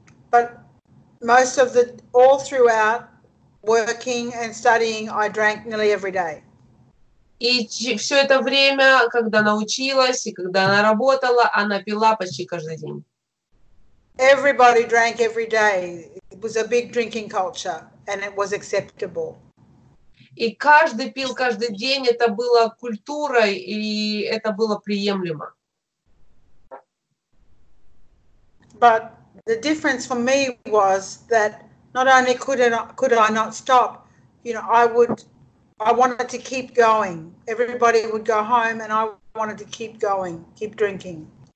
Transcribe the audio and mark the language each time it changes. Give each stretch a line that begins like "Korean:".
English: But most of the, all throughout working and studying, I drank nearly every day.
Russian: И все это время, когда она училась, и когда она работала, она пила почти каждый день.
English: Everybody drank every day. It was a big drinking culture, and it was acceptable.
Russian: И каждый пил каждый день. Это было культурой, и это было приемлемо.
English: But the difference for me was that not only could I not stop, you know, I wanted to keep going. Everybody would go home, and I wanted to keep going, keep drinking.